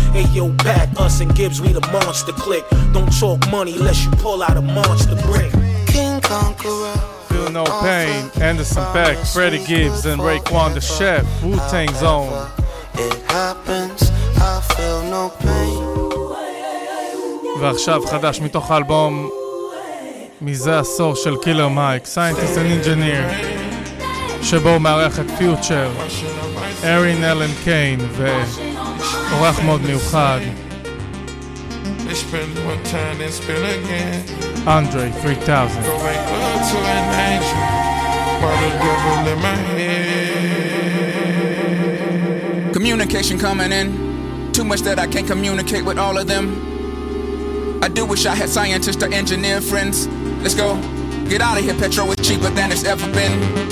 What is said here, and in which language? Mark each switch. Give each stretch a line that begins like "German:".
English: Hey yo, back, us and Gibbs, we the monster click. Don't talk money, unless you pull out a monster brick. King Conqueror. Feel No Pain, Anderson Peck, Freddie Gibbs, and Raekwon the Chef, Wu-Tang Zone. It happens, I feel no pain.
Hebrew: ועכשיו חדש מתוך האלבום מזה עשור של קילר מייק, Scientist and Engineer, שבו מערך את פיוטשר, ארין אלן קיין, ואורח מאוד מיוחד, Andre 3000.
English: Go make love to an angel, but a devil in my head. Communication coming in, too much that I can't communicate with all of them. I do wish I had scientists or engineer friends. Let's go, get out of here, petrol is cheaper than it's ever been.